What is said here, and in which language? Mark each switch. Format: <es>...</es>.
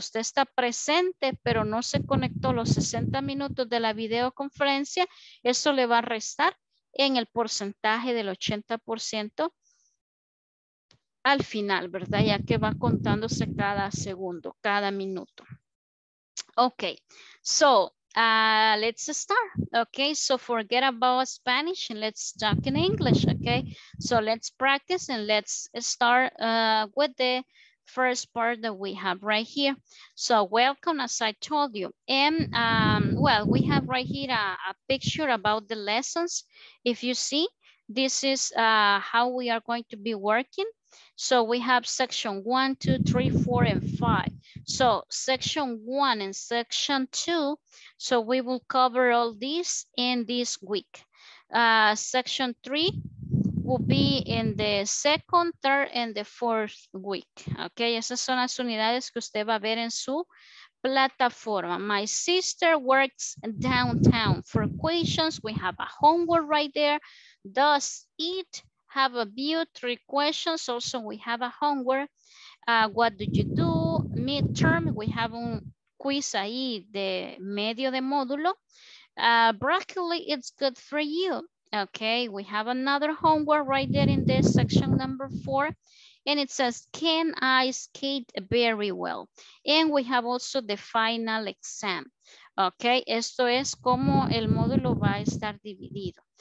<es>Usted está presente, pero no se conectó los 60 minutos de la videoconferencia. Eso le va a restar en el porcentaje del 80% al final, ¿verdad? Ya que va contándose cada segundo, cada minuto.</es> <en>Ok, so let's start. Ok, so forget about Spanish and let's talk in English, ok? So let's practice and let's start with the first part that we have right here. So welcome, as I told you. And well, we have right here a picture about the lessons. If you see, this is how we are going to be working. So we have section 1, 2, 3, 4, and 5. So section 1 and section 2. So we will cover all these in this week. Section 3 will be in the second, third, and the fourth week.</en> <es>Okay, esas son las unidades que usted va a ver en su plataforma.</es> <en>My sister works downtown. For questions, we have a homework right there. Does it have a view? 3 questions. Also, we have a homework. What do you do? Midterm, we have</en> <es>un quiz ahí de medio de módulo.</es> <en>Broccoli, it's good for you. Okay, we have another homework right there in this section number 4. And it says, can I skate very well? And we have also the final exam.</en> <es>Okay, esto es como el módulo va a estar dividido.</es>